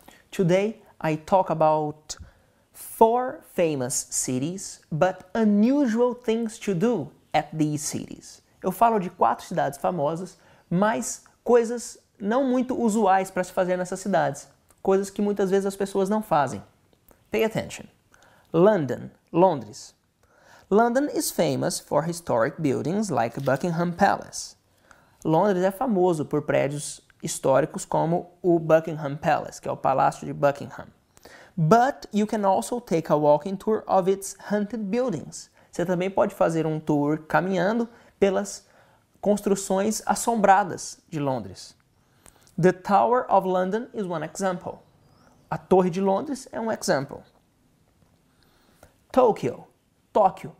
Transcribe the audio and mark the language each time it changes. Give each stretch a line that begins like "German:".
English: Today, I talk about 4 famous cities, but unusual things to do at these cities.
Portuguese: Eu falo de 4 cidades famosas, mas coisas não muito usuais para se fazer nessas cidades. Coisas que muitas vezes as pessoas não fazem.
English: Pay attention. London, Londres. London is famous for historic buildings like Buckingham Palace.
Portuguese: Londres é famoso por prédios históricos como o Buckingham Palace, que é o Palácio de Buckingham.
English: But you can also take a walking tour of its haunted buildings.
Portuguese: Você também pode fazer um tour caminhando pelas construções assombradas de Londres.
English: The Tower of London is one example.
Portuguese: A Torre de Londres é um
English: example. Tokyo. Tóquio.